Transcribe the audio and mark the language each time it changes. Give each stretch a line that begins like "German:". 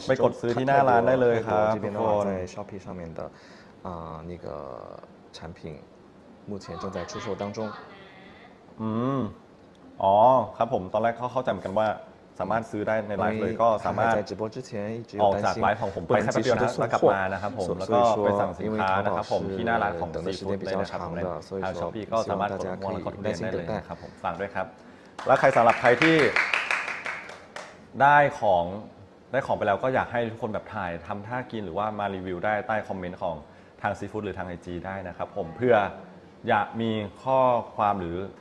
Thai: ไปกดซื้อที่หน้าร้านได้เลยครับทุกคน
Chinese: 在 Shopee 上面的那个产品目前正在出售当中
Thai: อ๋อครับผมตอนแรกเขาเข้าใจเหมือนกันว่าสามารถซื้อได้ในไลฟ์เลยก็สามารถออกจากไลฟ์ของผมไปแค่เพียงนั้นแล้วกลับมานะครับผมแล้วก็ไปสั่งสินค้านะครับผมที่หน้าร้านของซีฟู้ดได้นะครับผมทางช้อปปี้ก็สามารถกดมองและกดทุเรียนได้เลยนะครับผมฝากด้วยครับแล้วใครสำหรับใครที่ได้ของไปแล้วก็อยากให้ทุกคนแบบถ่ายทำท่ากินหรือว่ามารีวิวได้ใต้คอมเมนต์ของทางซีฟู้ดหรือทางไอจีได้นะครับผมเพื่ออยากมีข้อความหรือ